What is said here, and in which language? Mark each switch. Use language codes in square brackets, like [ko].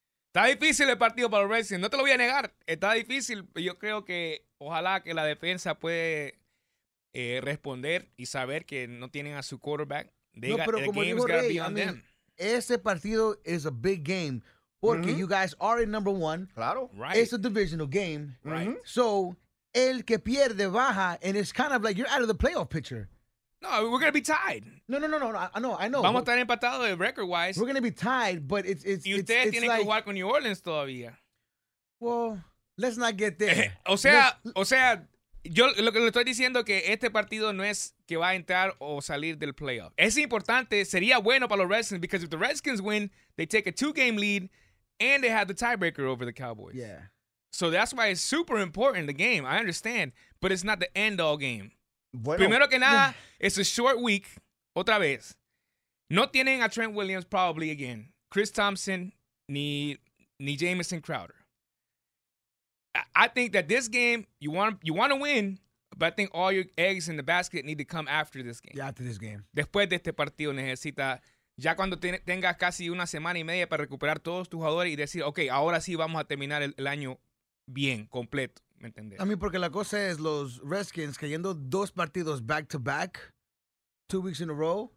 [es] Está difícil el partido para los Redskins, no te lo voy a negar. Está difícil, pero yo creo que ojalá que la defensa puede responder y saber que no tienen a su quarterback. No, pero como dijo Rey, ese partido es [en] a big game [es] Porque [en] mm-hmm. you guys are in number one. [es] Claro. [en] Right. It's a divisional game. Right. Mm-hmm. So, [es] el que pierde baja, [en] and it's kind of like you're out of the playoff picture. No, we're going to be tied. No, I know. [es] Vamos a estar empatados record-wise. [en] We're going to be tied, but it's [es] y ustedes [en] it's [es] tienen [en] like, [es] que jugar con New Orleans todavía. [en] Well, let's not get there. [es] O sea, yo lo que le estoy diciendo es que este partido no es que va a entrar o salir del playoff. Es importante, sería bueno para los Redskins, [en] because if the Redskins win, they take a two-game lead, and they have the tiebreaker over the Cowboys. Yeah. So that's why it's super important, the game. I understand, but it's not the end-all game. [es] Bueno, primero que nada, [en] yeah. It's a short week, [es] otra vez. No tienen a Trent Williams, [en] probably again. [es] Chris Thompson, ni Jameson Crowder. [en] I think that this game, you want to win, but I think all your eggs in the basket need to come after this game. Yeah, after this game. [es] Después de este partido necesita, ya cuando tengas casi una semana y media para recuperar todos tus jugadores y decir, ok, ahora sí vamos a terminar el año bien, completo, ¿me entiendes? A mí porque la cosa es los Redskins cayendo dos partidos back-to-back, [en] 2 weeks in a row.